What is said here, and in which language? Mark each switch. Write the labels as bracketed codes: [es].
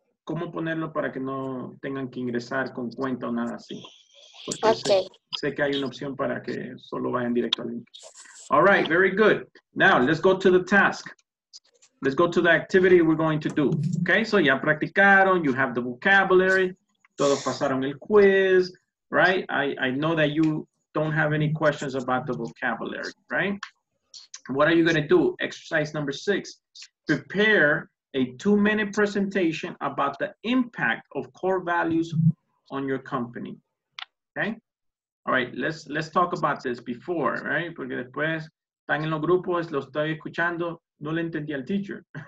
[es] cómo ponerlo para que no tengan que ingresar con cuenta o nada así. [en] Okay. [es] Sé que hay una opción para que solo vayan directo al link. [en] All right, very good. Now, let's go to the task. Let's go to the activity we're going to do. Okay, so [es] ya practicaron, [en] you have the vocabulary. [es] Todos pasaron el quiz, [en] right? I know that you don't have any questions about the vocabulary, right? What are you going to do? Exercise number 6. Prepare a 2-minute presentation about the impact of core values on your company. Okay? All right, let's talk about this before, right? [es] Porque después están en los grupos, lo estoy escuchando, no le entendí al teacher.